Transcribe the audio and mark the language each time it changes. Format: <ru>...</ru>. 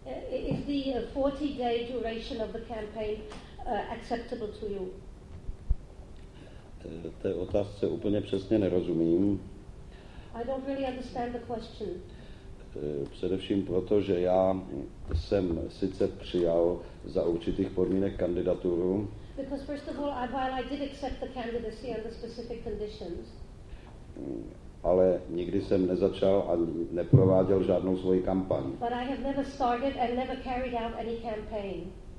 <en>Is the 40-day duration of the campaign acceptable to you?</en> <cs>Té otázce úplně přesně nerozumím.</cs> <en>I don't really understand the question.</en> <cs>Především proto, že já jsem sice přijal za určitých podmínek kandidaturu,</cs> <en>because first of all, while I did accept the candidacy under specific conditions,</en> <cs>ale nikdy jsem nezačal a neprováděl žádnou svoji kampaň.</cs> <en>But I have never started and never carried out any campaign.</en>